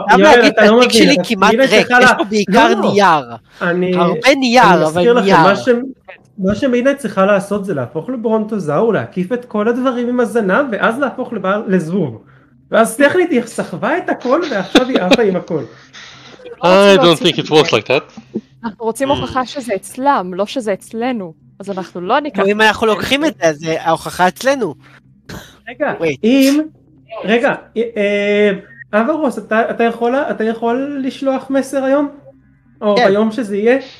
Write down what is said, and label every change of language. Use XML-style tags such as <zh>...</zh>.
<he>גם להגיד, התיק שלי כמעט ריק, יש פה בעיקר נייר. הרבה נייר, אבל נייר. מה שמידנאי צריכה לעשות זה להפוך לברונטוזאור, להקיף את כל הדברים עם הזנב, ואז להפוך לזבוב. ואז טכנית היא סחבה את הכל, ועכשיו היא עפה עם הכל.</he> <en>I don't think it works like that.</en> <he>אנחנו רוצים הוכחה שזה אצלם, לא שזה אצלנו. אז אנחנו לא ניקח... אם אנחנו לוקחים את זה, אז ההוכחה אצלנו. רגע, אם... רגע, אברוס, אתה יכול לשלוח מסר היום? או ביום שזה יהיה?</he>